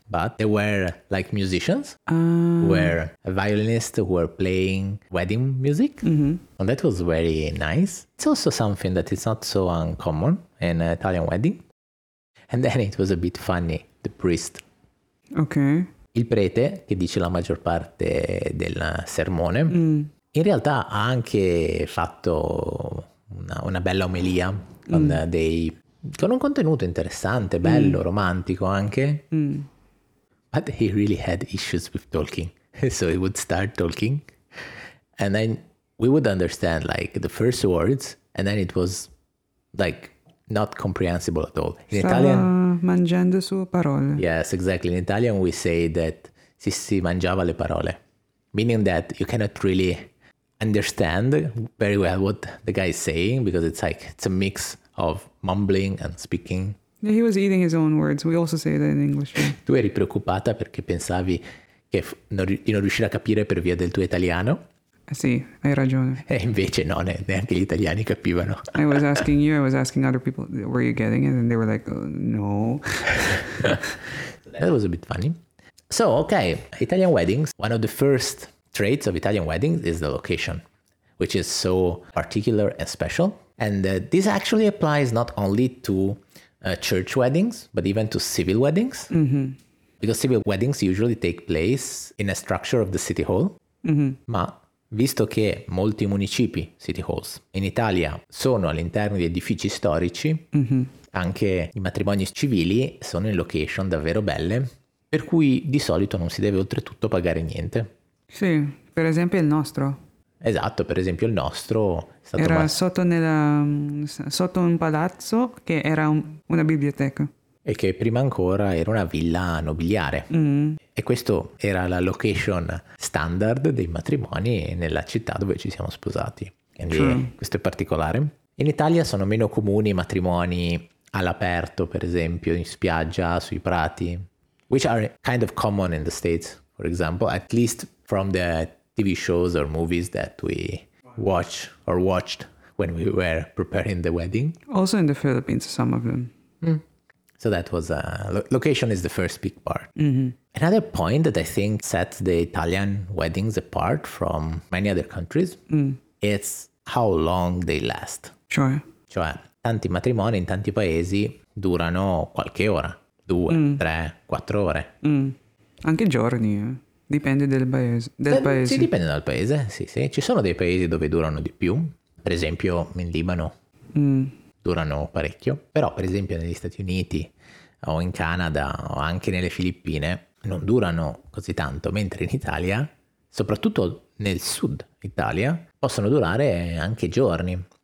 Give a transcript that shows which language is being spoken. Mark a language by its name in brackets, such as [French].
[English] But there were like musicians, were a violinist who were playing wedding music. Mm-hmm. And that was very nice. It's also something that is not so uncommon in an Italian wedding. And then it was a bit funny, the priest. Okay. [Italian] Il prete, che dice la maggior parte del sermone, in realtà ha anche fatto una bella omelia con con un contenuto interessante, bello, romantico anche. Mm. [English] But he really had issues with talking. So he would start talking and then we would understand like the first words and then it was like... not comprehensible at all. In Italian, [Italian] mangiando sue parole. [English] Yes, exactly. In Italian we say that [Italian] si mangiava le parole, [English] meaning that you cannot really understand very well what the guy is saying because it's like it's a mix of mumbling and speaking. He was eating his own words. We also say that in English. [Italian] Tu eri preoccupata perché pensavi che di non riuscire a capire per via del tuo italiano. Sì, hai ragione. E invece no, neanche gli italiani capivano. [English] I was asking you, I was asking other people, were you getting it? And they were like, oh, no. That was a bit funny. So, okay, Italian weddings. One of the first traits of Italian weddings is the location, which is so particular and special. And this actually applies not only to church weddings, but even to civil weddings. Mm-hmm. Because civil weddings usually take place in a structure of the city hall. Mm-hmm. [Italian] Ma... visto che molti municipi, [English] city halls, [Italian] in Italia sono all'interno di edifici storici, anche i matrimoni civili sono in location davvero belle, per cui di solito non si deve oltretutto pagare niente. Sì, per esempio il nostro. Esatto, per esempio il nostro... è stato sotto un palazzo che era una biblioteca. E che prima ancora era una villa nobiliare. Mm. E questo era la location standard dei matrimoni nella città dove ci siamo sposati. Quindi questo è particolare. In Italia sono meno comuni i matrimoni all'aperto, per esempio, in spiaggia, sui prati. [English] Which are kind of common in the States, for example, at least from the TV shows or movies that we watched when we were preparing the wedding. Also in the Philippines, some of them. Mm. So that was location is the first big part. Mm-hmm. Another point that I think sets the Italian weddings apart from many other countries, it's how long they last. Sure. [Italian] Cioè, tanti matrimoni in tanti paesi durano qualche ora, due, tre, quattro ore. Mm. Anche giorni, dipende dal paese. Sì, dipende dal paese, sì. Ci sono dei paesi dove durano di più, per esempio in Libano durano parecchio, però per esempio negli Stati Uniti o in Canada o anche nelle Filippine non durano così tanto, mentre in Italia, soprattutto nel sud Italia, possono durare anche giorni.